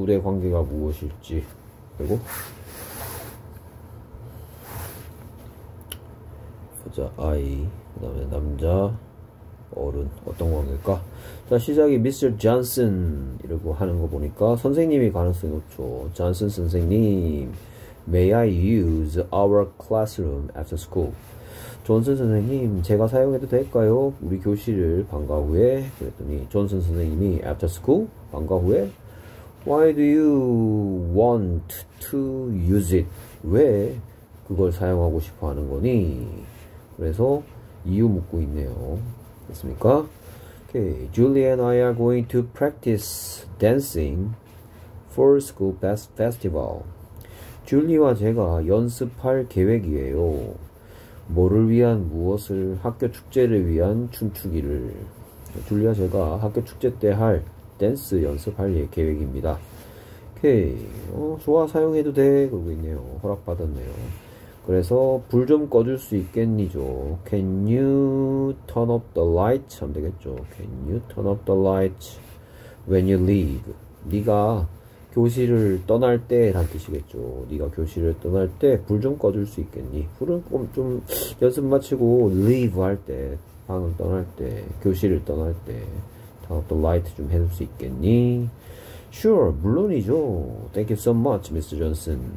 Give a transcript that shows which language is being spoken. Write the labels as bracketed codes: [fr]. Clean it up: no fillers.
[ko] 둘의 관계가 무엇일지. 그리고 여자아이, 그 다음에 남자 어른 어떤 관계일까? 자, 시작이 미스터 존슨 이러고 하는 거 보니까 선생님이 가능성이 높죠. 존슨 선생님, [en] May I use our classroom after school? [ko] 존슨 선생님, 제가 사용해도 될까요? 우리 교실을 방과 후에. 그랬더니 존슨 선생님이 [en] after school? [ko] 방과 후에? [en] Why do you want to use it? [ko] 왜 그걸 사용하고 싶어 하는 거니? 그래서 이유 묻고 있네요. 됐습니까? [en] Okay, Julie and I are going to practice dancing Fall School Festival. [ko] 줄리와 제가 연습할 계획이에요. 뭐를 위한 무엇을? 학교 축제를 위한 춤추기를. 줄리와 제가 학교 축제 때할 댄스 연습할 계획입니다. 오케이. 좋아, 사용해도 돼. 그러고 있네요. 허락받았네요. 그래서 불좀 꺼줄 수 있겠니죠? [en] Can you turn up the lights? [ko] 하면 되겠죠? [en] Can you turn up the lights when you leave? [ko] 네가 교실을 떠날 때란 뜻이겠죠. 네가 교실을 떠날 때불좀 꺼줄 수 있겠니? 불은 좀 연습 마치고 leave 할 때, 방을 떠날 때, 교실을 떠날 때 [en] turn up the light [ko] 좀 해줄 수 있겠니? [en] Sure, [ko] 물론이죠. [en] Thank you so much, Mr. Johnson.